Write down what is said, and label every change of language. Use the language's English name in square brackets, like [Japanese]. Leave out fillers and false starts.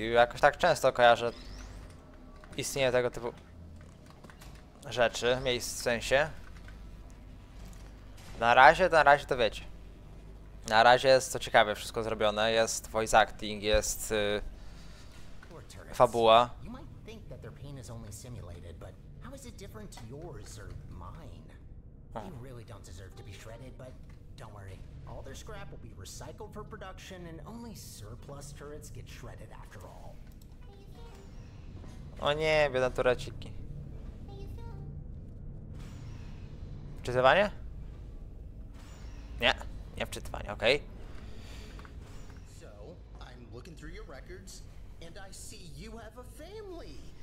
[Polish] Jakoś tak często kojarzę istnienie tego typu rzeczy, miejsc w sensie. Na razie to wiecie. Na razie jest to ciekawe wszystko zrobione. Jest voice acting, jest fabuła. [English] You might think that their pain is only simulated, but how is it different to yours or mine? They really don't deserve to be shredded, but don't worry. All their scrap will be recycled for production and only surplus turrets get shredded after all. [Polish] O nie, biedne tureciki. Wczytywanie? Nie, nie wczytywanie, okej. [English] So, I'm looking through your records and I see you have a family.